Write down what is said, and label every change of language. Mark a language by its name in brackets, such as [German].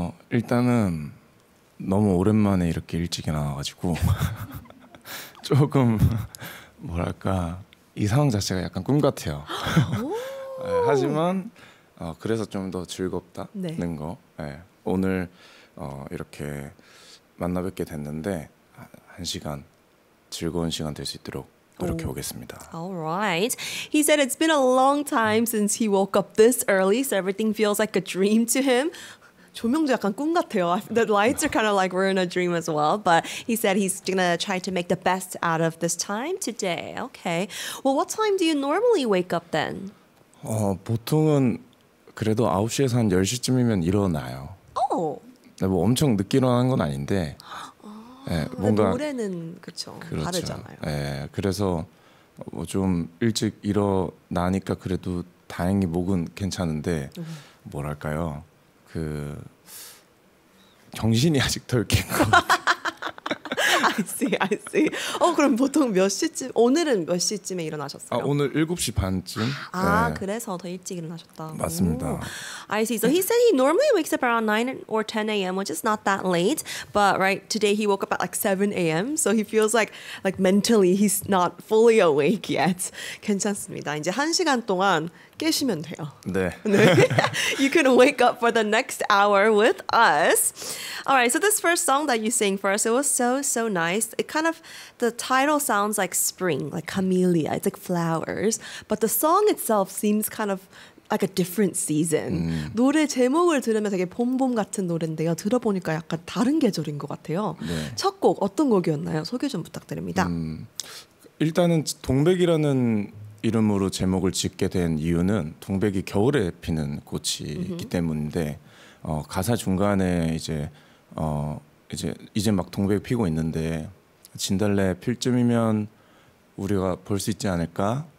[Korean] 일단은 너무 오랜만에 이렇게 일찍이 나와가지고 조금 뭐랄까 이 상황 자체가 약간 꿈 같아요. 네, 하지만 그래서 좀 더 즐겁다는 네. 거. 네. 오늘 이렇게 만나 뵙게 됐는데 한 시간 즐거운 시간 될 수 있도록 노력해 보겠습니다. [English] All right. He said it's been a long time since he woke up this early, so everything feels like a dream to him. [Korean] 조명도 약간 꿈 같아요. [English] The lights are kind of like we're in a dream as well. But he said he's gonna try to make the best out of this time today. Okay. Well, what time do you normally wake up then? [Korean] 보통은 그래도 9시에서 한 10시쯤이면 일어나요. 오! 네, 뭐 엄청 늦게 일어난 건 아닌데 네, 뭔가 노래는 그쵸, 그렇죠. 다르잖아요. 네, 그래서 뭐 좀 일찍 일어나니까 그래도 다행히 목은 괜찮은데 뭐랄까요? 그 정신이 아직 덜 깬 것 같아요. [English] I see, I see. [Korean] 그럼 보통 몇 시쯤, 오늘은 몇 시쯤에 일어나셨어요? 오늘 7시 반쯤. 아, 네. 그래서 더 일찍 일어나셨다. 맞습니다. [English] I see. So he said he normally wakes up around 9 or 10 a.m., which is not that late. But right today he woke up at like 7 a.m. So he feels like mentally he's not fully awake yet. [Korean] 괜찮습니다. 이제 한 시간 동안 깨시면 돼요. 네. [English] You can wake up for the next hour with us. All right. So this first song that you sang for us, it was so, so nice. It kind of, the title sounds like spring, like camellia. It's like flowers. But the song itself seems kind of like a different season. [Korean] 노래 제목을 들으면 되게 봄봄 같은 노래인데요. 들어보니까 약간 다른 계절인 것 같아요. 네. 첫 곡 어떤 곡이었나요? 소개 좀 부탁드립니다. 일단은 동백이라는 이름으로 제목을 짓게 된 이유는 동백이 겨울에 피는 꽃이기 때문인데 가사 중간에 이제 막 동백 피고 있는데 진달래 필 쯤이면 우리가 볼 수 있지 않을까?